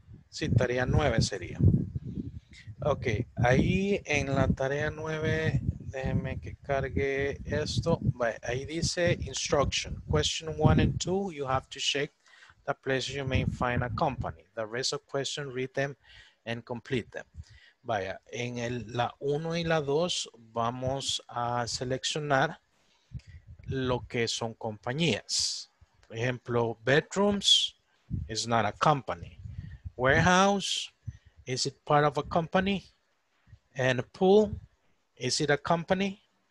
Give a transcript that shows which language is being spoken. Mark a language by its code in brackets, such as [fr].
[es] Sí, tarea 9 sería. Ok, ahí en la tarea 9, déjeme que cargue esto. Ahí dice instruction. [en] Question 1 and 2, you have to check the place you may find a company. The rest of questions, read them and complete them. [es] Vaya, en la 1 y la 2 vamos a seleccionar lo que son compañías. Por ejemplo, [en] bedrooms is not a company. Warehouse, is it part of a company? And pool, is it a company?